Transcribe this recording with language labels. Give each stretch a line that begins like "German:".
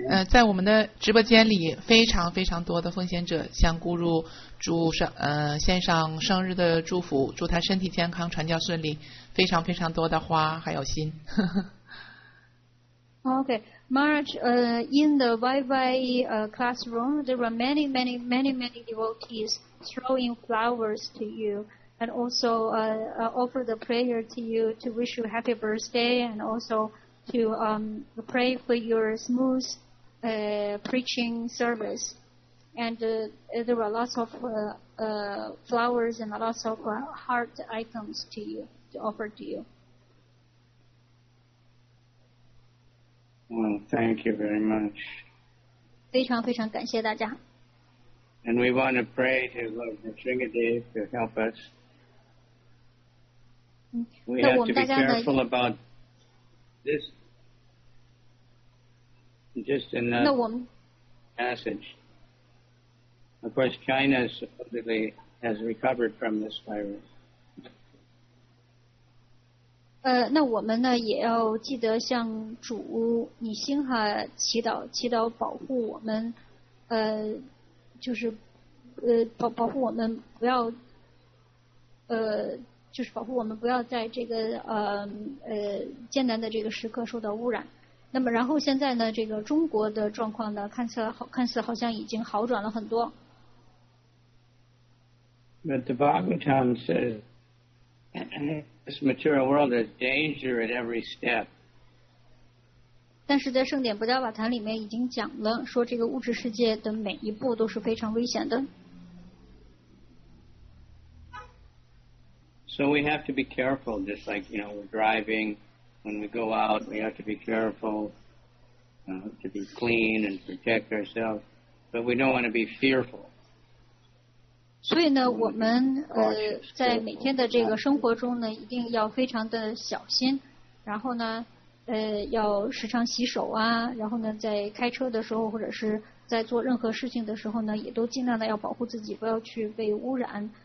Chinese: 在我们的直播间里，非常非常多的奉献者向咕噜祝上献上生日的祝福，祝他身体健康，传教顺利，非常非常多的花还有心。
English: Okay, Maharaj, in the YY classroom, there were many devotees throwing flowers to you and also offer the prayer to you to wish you happy birthday and also to pray for your smooth preaching service. And there were lots of flowers and lots of heart items to you, to offer to you. Well, thank you very much.
Chinese: 非常非常感谢大家。
English: And we want to pray to Lord Srinadev to help us. We have to be careful about this, just in that passage. Of course, China supposedly has recovered from this virus.
Chinese: 那我们呢也要记得向主你心哈祈祷，祈祷保护我们，就是保护我们不要，就是保护我们不要在这个艰难的这个时刻受到污染。那么然后现在呢，这个中国的状况呢，看似好像已经好转了很多。
English: But the Bhagavatam says this material world is danger at every step.
Chinese: 但是在圣典不加瓦坛里面已经讲了，说这个物质世界的每一步都是非常危险的。
English: So we have to be careful, just like, you know, we're driving, when we go out, we have to be careful, to be clean and protect ourselves, but we don't want to be fearful.
Chinese: 所以呢，我们在每天的这个生活中呢，一定要非常的小心，然后呢，要时常洗手啊，然后呢，在开车的时候或者是在做任何事情的时候呢，也都尽量的要保护自己，不要去被污染。